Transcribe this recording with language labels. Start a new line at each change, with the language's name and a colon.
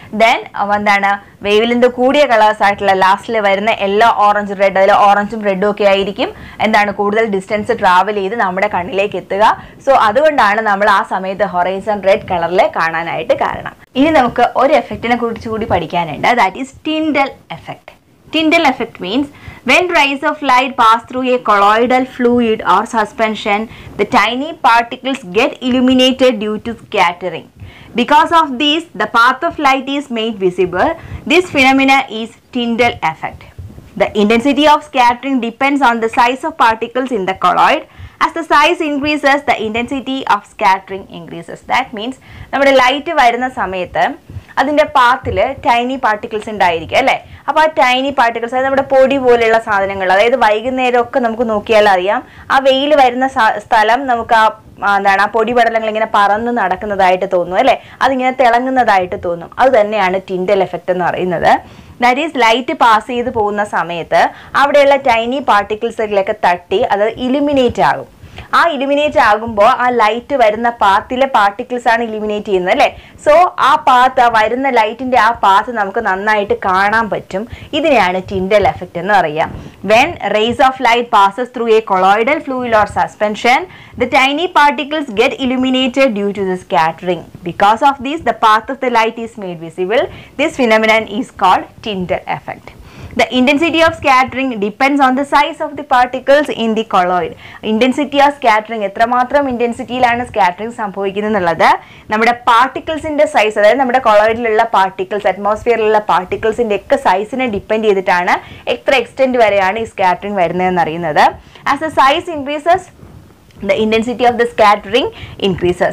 Malayalam: Then എന്താണ് wave length കൂടിയ colours ആയിട്ടുള്ള ലാസ്റ്റിൽ വരുന്ന എല്ലാ ഓറഞ്ച് റെഡ്, അതിൽ ഓറഞ്ചും റെഡും ഒക്കെ ആയിരിക്കും എന്താണ് കൂടുതൽ ഡിസ്റ്റൻസ് ട്രാവൽ ചെയ്ത് നമ്മുടെ കണ്ണിലേക്ക് എത്തുക. സോ അതുകൊണ്ടാണ് നമ്മൾ ആ സമയത്ത് ഹൊറൈസൺ റെഡ് കളറിൽ കാണാനായിട്ട് കാരണം. ഇനി നമുക്ക് ഒരു എഫക്റ്റിനെ കുറിച്ച് കൂടി പഠിക്കാനുണ്ട്.
English: That is Tyndall effect.
Malayalam: Tyndall effect means
English: When rays of light pass through a colloidal fluid or suspension, the tiny particles get illuminated due to scattering. Because of this, the path of light is made visible. This phenomena is Tyndall effect. The intensity of scattering depends on the size of particles in the colloid. As the size increases, the intensity of scattering increases. That means,
Malayalam: നമ്മുടെ light വരുന്ന സമയത്ത് അതിന്റെ പാത്തിൽ tiny particles ഉണ്ടായിരിക്കും അല്ലെ. അപ്പൊ ആ tiny particles അതായത് നമ്മുടെ പൊടി പോലെയുള്ള സാധനങ്ങൾ, അതായത് വൈകുന്നേരമൊക്കെ നമുക്ക് നോക്കിയാൽ അറിയാം ആ വെയിൽ വരുന്ന സ്ഥലം നമുക്ക് ആ എന്താണ് ആ പൊടിപടലങ്ങൾ ഇങ്ങനെ പറന്ന് നടക്കുന്നതായിട്ട് തോന്നും അല്ലെ, അതിങ്ങനെ തിളങ്ങുന്നതായിട്ട് തോന്നും. അത് തന്നെയാണ് ടിൻഡൽ എഫക്ട് എന്ന് പറയുന്നത്. ദാറ്റ് ഈസ് ലൈറ്റ് പാസ് ചെയ്ത് പോകുന്ന സമയത്ത് അവിടെയുള്ള ടൈനി പാർട്ടിക്കിൾസിലൊക്കെ തട്ടി അത് ഇലിമിനേറ്റ് ആകും. ആ ഇലിമിനേറ്റ് ആകുമ്പോൾ ആ ലൈറ്റ് വരുന്ന പാത്തിലെ പാർട്ടിക്കിൾസ് ആണ് ഇലിമിനേറ്റ് ചെയ്യുന്നത് അല്ലെ. സോ ആ പാത്ത്, ആ വരുന്ന ലൈറ്റിന്റെ ആ പാത്ത് നമുക്ക് നന്നായിട്ട് കാണാൻ പറ്റും.
English: ഇതിനെയാണ് Tyndall effect എന്ന് പറയുക. When rays of light passes through a colloidal fluid or suspension, the tiny particles get eliminated due to the scattering. Because of these the path of the light is made visible. This phenomenon is called Tyndall effect. The intensity of scattering depends on the size of the particles in the colloid. Intensity of scattering,
Malayalam: എത്രമാത്രം ഇൻറ്റൻസിറ്റിയിലാണ് scattering സംഭവിക്കുന്നതെന്നുള്ളത് നമ്മുടെ പാർട്ടിക്കിൾസിൻ്റെ size, അതായത് നമ്മുടെ കൊളോയിഡിലുള്ള particles, അറ്റ്മോസ്ഫിയറിലുള്ള പാർട്ടിക്കിൾസിൻ്റെ ഒക്കെ സൈസിനെ depend ചെയ്തിട്ടാണ് എത്ര extend വരെയാണ് ഈ scattering വരുന്നതെന്നറിയുന്നത്.
English: As the size increases the intensity of the scattering increase.